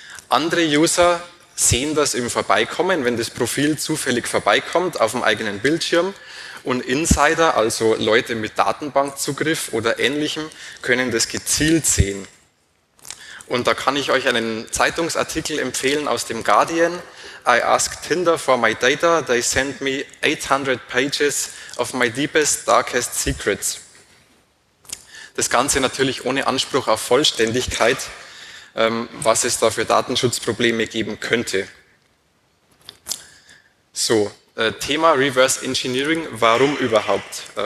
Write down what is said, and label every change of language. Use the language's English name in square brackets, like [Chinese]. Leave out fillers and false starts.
[German] Andere User sehen das im Vorbeikommen, wenn das Profil zufällig vorbeikommt auf dem eigenen Bildschirm. Und Insider, also Leute mit Datenbankzugriff oder Ähnlichem, können das gezielt sehen. Und da kann ich euch einen Zeitungsartikel empfehlen aus dem Guardian. [English] I asked Tinder for my data, they sent me 800 pages of my deepest, darkest secrets. [German] Das Ganze natürlich ohne Anspruch auf Vollständigkeit, was es da für Datenschutzprobleme geben könnte. So, Thema Reverse Engineering, warum überhaupt?